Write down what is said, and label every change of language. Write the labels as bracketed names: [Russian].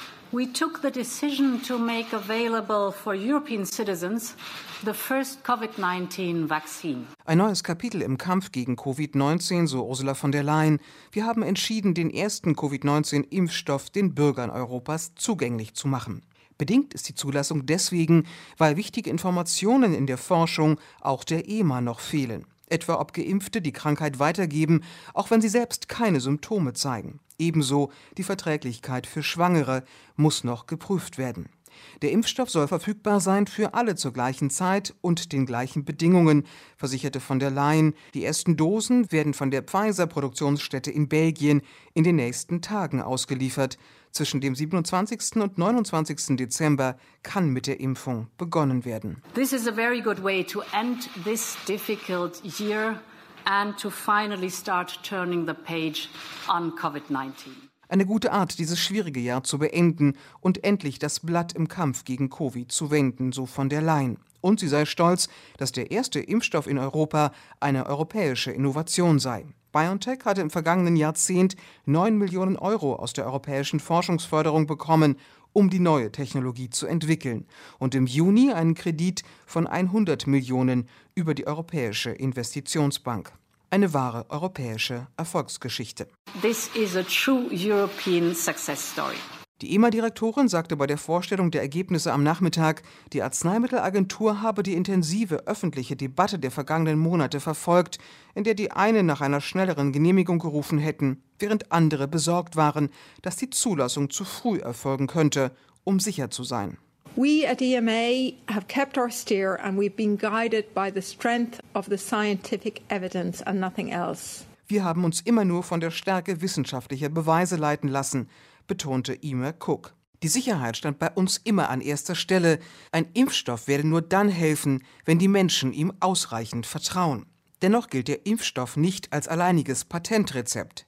[English] We took the decision to make available for European citizens the first COVID-19 vaccine. [German] Ein neues Kapitel im Kampf gegen COVID-19, so Ursula von der Leyen. Wir haben entschieden, den ersten COVID-19-Impfstoff den Bürgern Europas zugänglich zu machen. Bedingt ist die Zulassung deswegen, weil wichtige Informationen in der Forschung auch der EMA noch fehlen. Etwa ob Geimpfte die Krankheit weitergeben, auch wenn sie selbst keine Symptome zeigen. Ebenso die Verträglichkeit für Schwangere muss noch geprüft werden. Der Impfstoff soll verfügbar sein für alle zur gleichen Zeit und den gleichen Bedingungen, versicherte von der Leyen. Die ersten Dosen werden von der Pfizer-Produktionsstätte in Belgien in den nächsten Tagen ausgeliefert. Zwischen dem 27. und 29. Dezember kann mit der Impfung begonnen werden. [English] This is a very good way to end this difficult year and to finally start turning the page on COVID-19. [German] Eine gute Art, dieses schwierige Jahr zu beenden und endlich das Blatt im Kampf gegen Covid zu wenden, so von der Leyen. Und sie sei stolz, dass der erste Impfstoff in Europa eine europäische Innovation sei. BioNTech hatte im vergangenen Jahrzehnt 9 Millionen Euro aus der europäischen Forschungsförderung bekommen, um die neue Technologie zu entwickeln. Und im Juni einen Kredit von 100 Millionen über die Europäische Investitionsbank. Eine wahre europäische Erfolgsgeschichte. This is a true European success story. Die EMA-Direktorin sagte bei der Vorstellung der Ergebnisse am Nachmittag, die Arzneimittelagentur habe die intensive öffentliche Debatte der vergangenen Monate verfolgt, in der die einen nach einer schnelleren Genehmigung gerufen hätten, während andere besorgt waren, dass die Zulassung zu früh erfolgen könnte, um sicher zu sein. [English] We at EMA have kept our steer and we've been guided by the strength of the scientific evidence and nothing else. [German] Wir haben uns immer nur von der Stärke wissenschaftlicher Beweise leiten lassen, betonte Emer Cook. Die Sicherheit stand bei uns immer an erster Stelle. Ein Impfstoff werde nur dann helfen, wenn die Menschen ihm ausreichend vertrauen. Dennoch gilt der Impfstoff nicht als alleiniges Patentrezept.